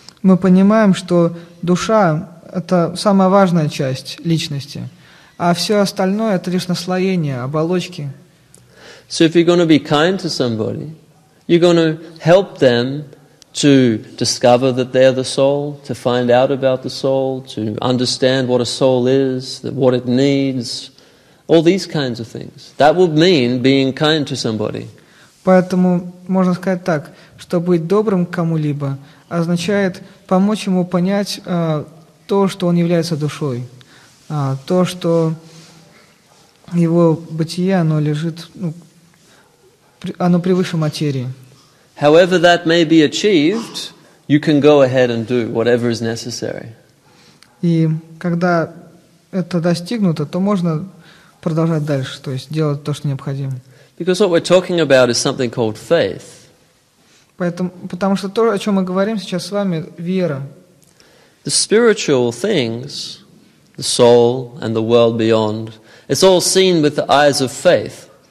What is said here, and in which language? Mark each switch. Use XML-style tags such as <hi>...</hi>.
<ru>Мы понимаем, что душа — это самая важная часть личности, а все остальное — это лишь наслоение, оболочки.</ru> <en>So if you're going to be kind to somebody, you're going to help them to discover that they're the soul, to find out about the soul, to understand what a soul is, what it needs, all these kinds of things. That would mean being kind to somebody.</en> <ru>Поэтому можно сказать так, что быть добрым к кому-либо означает помочь ему понять то, что он является душой, то, что его бытие, оно лежит, ну, оно превыше материи.</ru> <en>However that may be achieved, you can go ahead and do whatever is necessary.</en> <ru>И когда это достигнуто, то можно продолжать дальше, то есть делать то, что необходимо.</ru> <en>Because what we're talking about is something called faith.</en> <ru>Потому что то, о чем мы говорим сейчас с вами, вера.</ru> <en>The spiritual things, the soul and the world beyond, it's all seen with the eyes of faith.</en>